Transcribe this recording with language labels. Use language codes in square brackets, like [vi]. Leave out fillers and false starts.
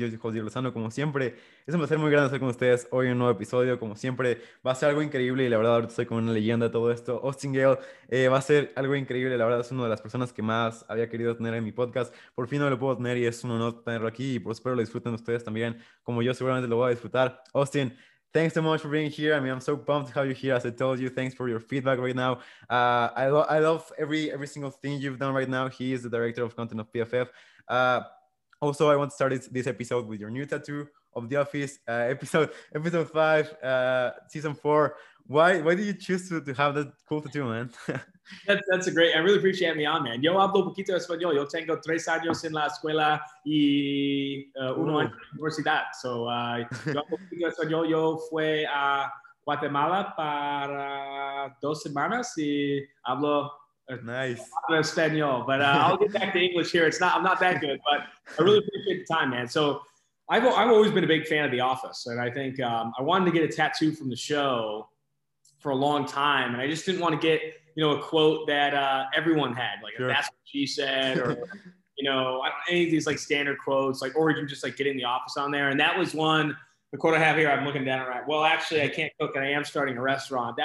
[es] Yo soy José Lozano, como siempre. Es un placer muy grande estar con ustedes hoy en un nuevo episodio. Como siempre, va a ser algo increíble y la verdad, ahorita estoy con una leyenda de todo esto. Austin Gale, va a ser algo increíble. La verdad, es una de las personas que más había querido tener en mi podcast. Por fin no lo puedo tener y es un honor tenerlo aquí. Y pues espero lo disfruten ustedes también, como yo seguramente lo voy a disfrutar. [en] Austin, thanks so much for being here. I mean, I'm so pumped to have you here. As I told you, thanks for your feedback right now. I love every single thing you've done right now. He is the director of content of PFF. Also, I want to start this episode with your new tattoo of The Office, episode 5, season 4. Why did you choose to have that cool tattoo, man? That's a great. I really appreciate having me on, man. [es] Yo hablo un poquito español. Yo tengo 3 años en la escuela y uno en la universidad. So, yo hablo un poquito español. Yo fui a Guatemala para 2 semanas y hablo [en] nice [es] español. [en] But I'll get back to English here. I'm not that good, but I really appreciate the time, man. So, I've always been a big fan of The Office, and I think I wanted to get a tattoo from the show for a long time, and I just didn't want to get, you know, a quote that everyone had, like, sure, that's what she said, or, you know, any of these, like, standard quotes, like, or you just, like, get in the office on there. And that was one, the quote I have here, I'm looking down at, right, well, actually, I can't cook, and I am starting a restaurant.